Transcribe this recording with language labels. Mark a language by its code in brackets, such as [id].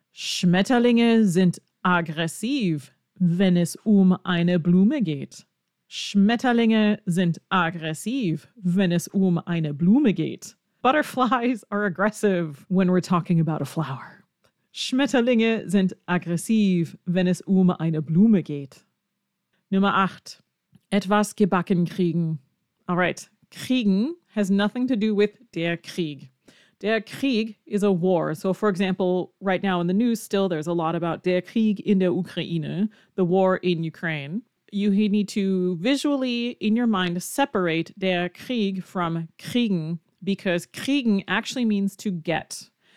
[de] Schmetterlinge sind aggressiv, wenn es eine Blume geht. Schmetterlinge sind aggressiv, wenn es eine Blume geht. [en] Butterflies are aggressive when we're talking about a flower. [de] Schmetterlinge sind aggressiv, wenn es eine Blume geht. Nummer 8. Etwas gebacken kriegen. [en] All right, kriegen has nothing to do with der Krieg. Der Krieg is a war. So, for example, right now in the news still, there's a lot about [de] der Krieg in der Ukraine, [en] the war in Ukraine. You need to visually, in your mind, separate der Krieg from kriegen, because kriegen actually means to get.